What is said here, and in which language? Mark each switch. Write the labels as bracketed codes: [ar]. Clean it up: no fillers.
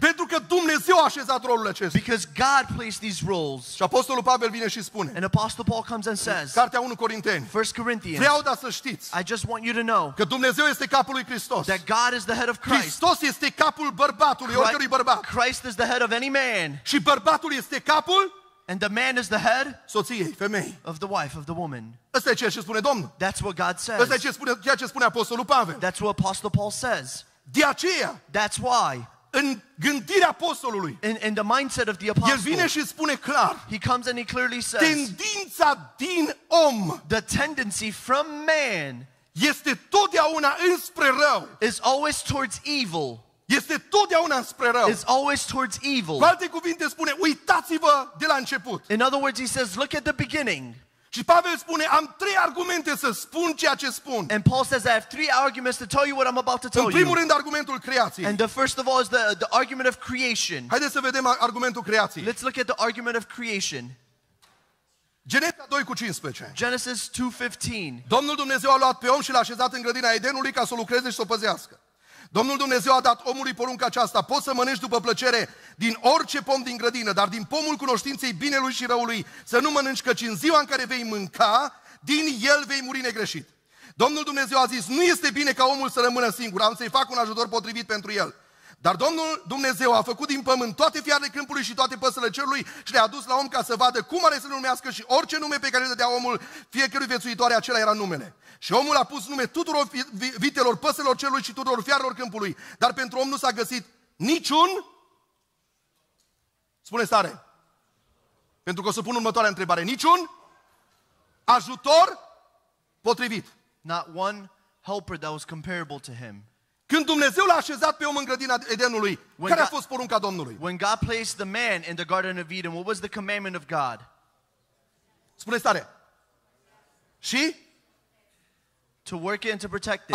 [ro] Pentru că Dumnezeu a așezat rolul acesta. [en] Because God placed these roles. [ro] Și apostolul Pavel vine și spune. [en] Apostle Paul comes and says, [ro] Cartea 1 Corinteni, [en] 1 Corinthians, [ro] vreau da să știți, [en] I just want you to know [ro] că Dumnezeu este capul lui Hristos. [en] That God is the head of Christ. [ro] Hristos este capul bărbatului, oricărui bărbat. [en] Christ is the head of any man. [ro] Și bărbatul este capul, [en] and the man is the head, [ro] soției, femei, [en] of the wife, of the woman. [ro] Asta e ceea ce spune Domnul. [en] That's what God says. [ro] Asta e ceea ce spune Apostolul Pavel. [en] That's what Apostle Paul says. [ro] De aceea, [en] that's why, [ro] în gândirea apostolului. [en] In the mindset of the apostle. [ro] El vine și spune clar. [en] He comes and he clearly says. [ro] Tendința din om. [en] The tendency from man. [ro] Este totdeauna înspre rău. [en] Is always towards evil. [ro] Este totdeauna înspre rău. [en] Is always towards evil. [ro] Cu alte cuvinte spune, uitați-vă de la început. [en] In other words, he says, look at the beginning. [ro] Și Pavel spune, am trei argumente să spun ceea ce spun. [en] And Paul says, I have three arguments to tell you what I'm about to tell you. [ro] În primul rând, argumentul creației. [en] And the first of all is the argument of creation. [ro] Haideți să vedem argumentul creației. [en] Let's look at the argument of creation. [ro] Geneza 2:15. [en] Genesis 2:15. [ro] Domnul Dumnezeu a luat pe om și l-a așezat în grădina Edenului ca să o lucreze și să o păzească. Domnul Dumnezeu a dat omului porunca aceasta: poți să mănânci după plăcere din orice pom din grădină, dar din pomul cunoștinței binelui și răului să nu mănânci, căci în ziua în care vei mânca, din el vei muri negreșit. Domnul Dumnezeu a zis, nu este bine ca omul să rămână singur, am să-i fac un ajutor potrivit pentru el. Dar Domnul Dumnezeu a făcut din pământ toate fiarele câmpului și toate păsările cerului și le-a dus la om ca să vadă cum are să-l numească, și orice nume pe care îl dădea omul fiecărui viețuitoare, acela era numele. Și omul a pus nume tuturor vitelor, păsărilor cerului și tuturor fiarelor câmpului, dar pentru om nu s-a găsit niciun... Spune stare! Pentru că o să pun următoarea întrebare. Niciun ajutor potrivit. [en] Not one helper that was comparable to him. [ro] Când Dumnezeu l-a așezat pe om în grădina Edenului, care a fost porunca Domnului? [en] When God placed the man in the Garden of Eden, what was the commandment of God? [ro] Spune stare! Și... [en] to work it and to protect it.